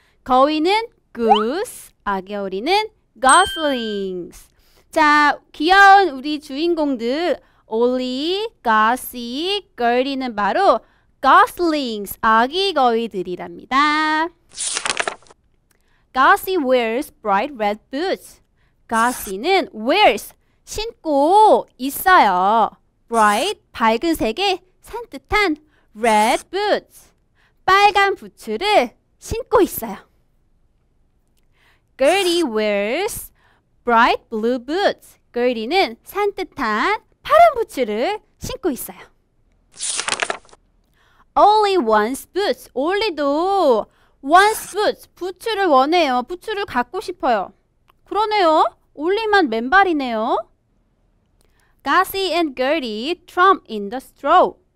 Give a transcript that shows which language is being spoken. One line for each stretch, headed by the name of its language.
Korean: 거위는 goose, 아기 오리는 goslings. 자, 귀여운 우리 주인공들 Ollie, Gussie, Gertie는 바로 goslings, 아기 거위들이랍니다.
English: Gussie wears bright red boots.
Korean: Gussie는 wears, 신고 있어요. Bright, 밝은 색의 산뜻한 red boots, 빨간 부츠를 신고 있어요.
English: Gertie wears bright blue boots.
Korean: Gertie는 산뜻한 파란 부츠를 신고 있어요.
English: Ollie wants boots. Ollie도 wants boots.
Korean: 부츠를 원해요. 부츠를 갖고 싶어요. 그러네요. Ollie만 맨발이네요.
English: Gussie and Gertie tromp in the straw.